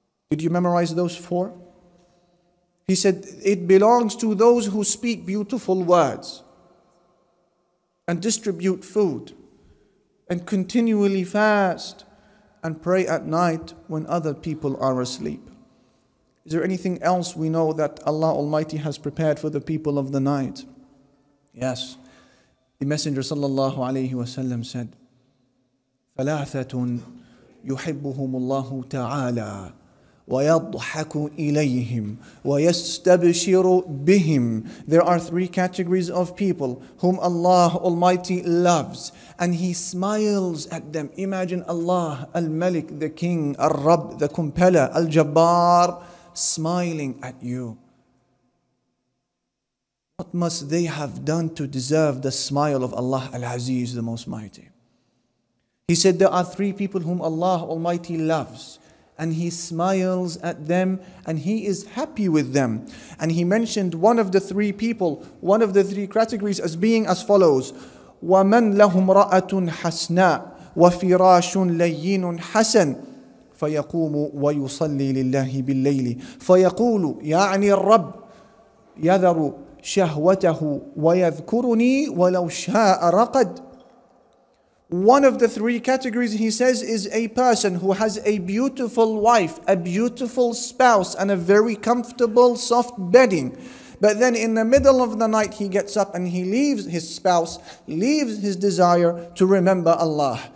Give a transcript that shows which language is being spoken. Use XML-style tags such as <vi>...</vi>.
<en>Did you memorize those four? He said, it belongs to those who speak beautiful words and distribute food and continually fast and pray at night when other people are asleep. Is there anything else we know that Allah Almighty has prepared for the people of the night? Yes. The Messenger sallallahu alayhi wa sallam said,</en> <ar>ثَلَاثَةٌ يُحِبُّهُمُ اللَّهُ تَعَالَى وَيَضْحَكُ إِلَيْهِمْ وَيَسْتَبْشِرُ بِهِمْ.</ar> <en>There are three categories of people whom Allah Almighty loves and He smiles at them. Imagine Allah, Al-Malik, the King, Al-Rabb, the Compeller, Al-Jabbar, smiling at you. What must they have done to deserve the smile of Allah Al-Aziz, the Most Mighty? He said there are three people whom Allah Almighty loves and He smiles at them and He is happy with them. And He mentioned one of the three people, one of the three categories as being as follows.</en> <ar>وَمَنْ لَهُمْ رَأَةٌ حَسْنًا وَفِرَاشٌ لَيِّنٌ حَسَنٌ فيقوم ويصلي لله بالليل فيقول يعني الرب يذر شهوته ويذكرني ولو شاء رقد.</ar> <en>One of the three categories, he says, is a person who has a beautiful wife, a beautiful spouse, and a very comfortable soft bedding. But then in the middle of the night, he gets up and he leaves his spouse, leaves his desire to remember Allah.</en>